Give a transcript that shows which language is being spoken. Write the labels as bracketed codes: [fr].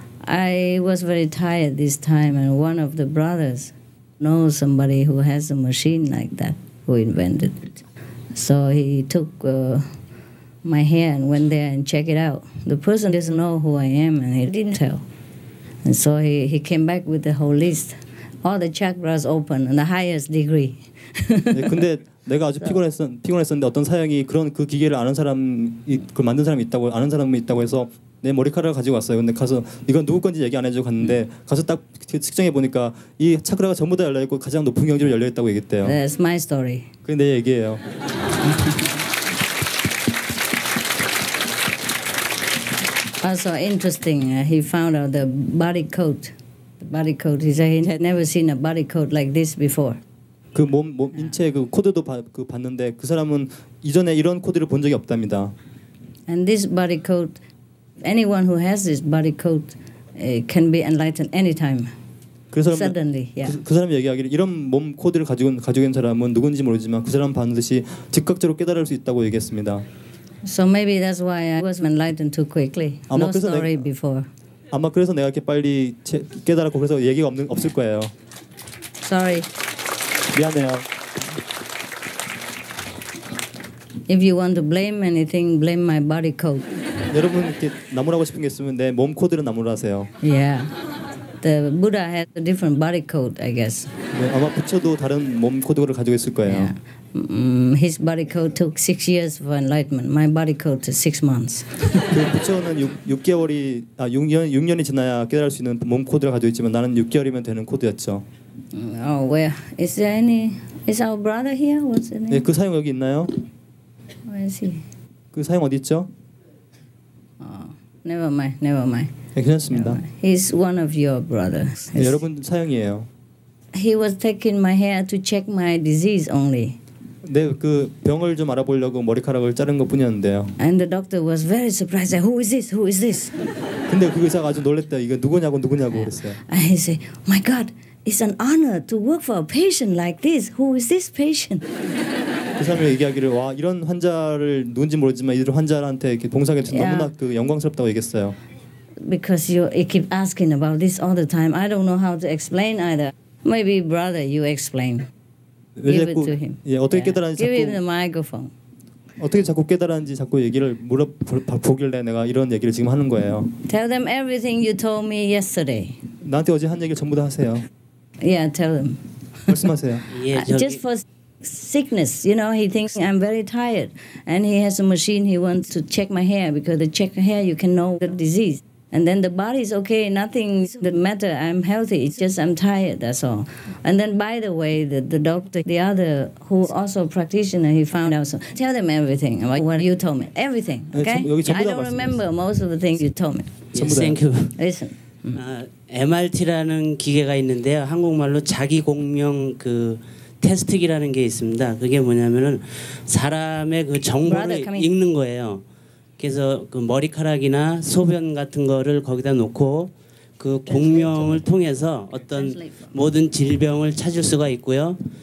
[en] I was very tired this time and one of the brothers know somebody who has a machine like that who invented it. So he took my hair and went there and check it out. The person doesn't know who I am and he didn't tell. And so he came back with the whole list. All the chakras open and the highest degree. [ko] 네, 근데 내가 아주 피곤했었는데 어떤 사형이 그런 그 기계를 아는 사람 그걸 만든 사람이 있다고 아는 사람이 있다고 해서 내 머리카락을 가지고 왔어요. 근데 가서 이건 누구 건지 얘기 안 해 주고 갔는데 가서 딱 측정해 보니까 이 차크라가 전부 다 열려 있고 가장 높은 경지로 열려 있다고 얘기했대요. [en] That's my story. [ko] 그게 내 얘기예요. [en] Also interesting, he found out the body coat. The body coat. He said he had never seen a body coat like this before. [ko] 그 몸 인체 그 코드도 봤는데 그 사람은 이전에 이런 코드를 본 적이 없답니다. [en] And this body coat, anyone who has this body coat can be enlightened anytime. [ko] 그 사람은, [en] Suddenly, yeah. [ko] 그 사람 얘기하기를 이런 몸 코드를 가지고 있는 사람은 누군지 모르지만 그 사람 반드시 즉각적으로 깨달을 수 있다고 얘기했습니다. [en] So maybe that's why I was enlightened too quickly. No story before. [ko] 아마 그래서 내가 이렇게 빨리 깨달았고 그래서 얘기가 없을 거예요. [en] Sorry. [ko] 미안해요. [en] If you want to blame anything, blame my body code. [ko] 여러분 이렇게 나무라고 싶은 게 있으면 내 몸 코드를 나무라 하세요. [en] Yeah. The Buddha has a different body code, I guess. [ko] 네, 아마 부처도 다른 몸 코드를 가지고 있을 거예요. [en] Yeah. His body code took 6 years for enlightenment. My body code took 6 months. [ko] 그 부처는 6년이 지나야 깨달을 수 있는 몸 코드를 가지고 있지만 나는 6개월이면 되는 코드였죠. [en] Oh, where is there any? Is our brother here? What's his name? [ko] 네, 그 사형 여기 있나요? [en] Where is he? [ko] 그 사형 어디 있죠? [en] Never mind. Never mind. [ko] 네, 괜찮습니다. [en] He's one of your brothers. [ko] 네, 여러분 사형이에요. [en] He was taking my hair to check my disease only. [ko] 네, 그 병을 좀 알아보려고 머리카락을 자른 것뿐이었는데요. [en] And the doctor was very surprised. Who is this? Who is this? [ko] 근데 그 의사가 아주 놀랬대요. 이거 누구냐고 그랬어요. [en] And he said, "My God, it's an honor to work for a patient like this. Who is this patient?" [ko] 그 사람이 얘기하기를 와 이런 환자를 누군지 모르지만 이런 환자한테 이렇게 봉사하게 돼서 너무나 그 영광스럽다고 얘기했어요. [en] Because you keep asking about this all the time, I don't know how to explain either. Maybe brother, you explain. Give it to him. [ko] 예, 어떻게 깨달았는지 자꾸. [en] Give him the microphone. [ko] 어떻게 자꾸 깨달았는지 자꾸 얘기를 물어보길래 내가 이런 얘기를 지금 하는 거예요. [en] Tell them everything you told me yesterday. [ko] 나한테 어제 한 얘기 전부 다 하세요. [en] Yeah, tell them. [ko] 말씀하세요. [en] Just for sickness, you know, he thinks I'm very tired, and he has a machine he wants to check my hair because to check hair you can know the disease. And then the body is okay, nothing the matter. I'm healthy. It's just I'm tired. That's all. And then, by the way, the doctor, the other who also practitioner, he found out. So tell them everything about what you told me. Everything, okay? [ko] 네, 여기 전부 다 [en] I don't remember most of the things you told me. Yes, thank you. Listen. [ko] MRT라는 기계가 있는데요. 한국말로 자기공명 그 테스트기라는 게 있습니다. 그게 뭐냐면은 사람의 그 정보를 읽는 거예요. 그래서 그 머리카락이나 소변 같은 거를 거기다 놓고 그 공명을 통해서 어떤 모든 질병을 찾을 수가 있고요.